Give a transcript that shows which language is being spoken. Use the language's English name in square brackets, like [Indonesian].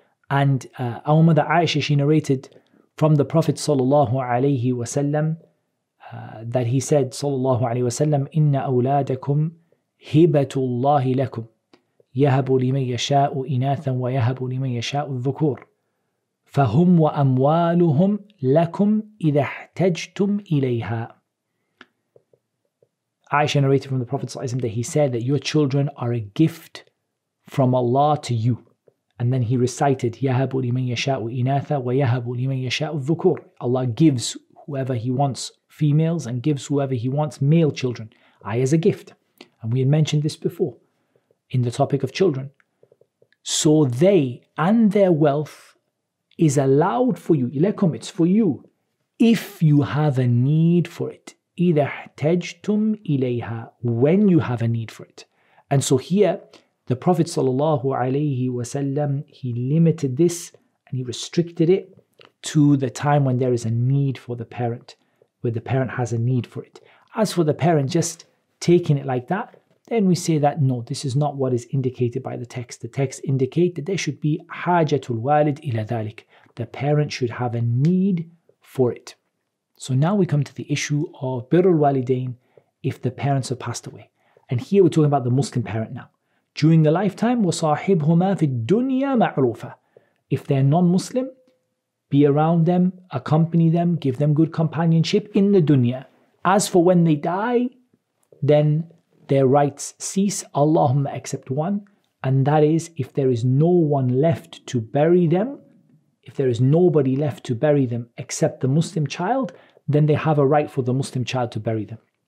[English] And our mother Aisha, she narrated from the Prophet sallallahu alaihi wasallam that he said, sallallahu alaihi wasallam, [Arabic] inna awladakum hibatullahi lakum yahabu liman yasha'u inathan wa yahabu liman yasha'u dhukur. فَهُمْ وَأَمْوَالُهُمْ لَكُمْ إِذَا احْتَجْتُمْ إِلَيْهَا. [English] Aisha narrated from the Prophet ﷺ that he said that your children are a gift from Allah to you. And then he recited, [Arabic] يَهَبُ لِمَنْ يَشَاءُ إِنَاثَ وَيَهَبُ لِمَنْ يَشَاءُ الذُّكُورِ. [English] Allah gives whoever he wants females, and gives whoever he wants male children, aye, as a gift. And we had mentioned this before in the topic of children. So they and their wealth is allowed for you, ilakum, it's for you, if you have a need for it, either [Arabic] ihtajtum ilayha, [English] when you have a need for it. And so here, the Prophet sallallahu alayhi wasallam, he limited this and he restricted it to the time when there is a need for the parent, where the parent has a need for it. As for the parent just taking it like that, then we say that no, this is not what is indicated by the text. The text indicate that there should be [Arabic] hajatul walid ila dhalik. [English] The parent should have a need for it. So now we come to the issue of birrul walidain if the parents have passed away. And here we're talking about the Muslim parent now. During the lifetime, [Arabic] وَصَاحِبْهُمَا فِي الدُّنْيَا مَعْرُوفًا. [English] If they're non-Muslim, be around them, accompany them, give them good companionship in the dunya. As for when they die, then their rights cease, Allahumma, except one. And that is, if there is no one left to bury them, if there is nobody left to bury them except the Muslim child, then they have a right for the Muslim child to bury them.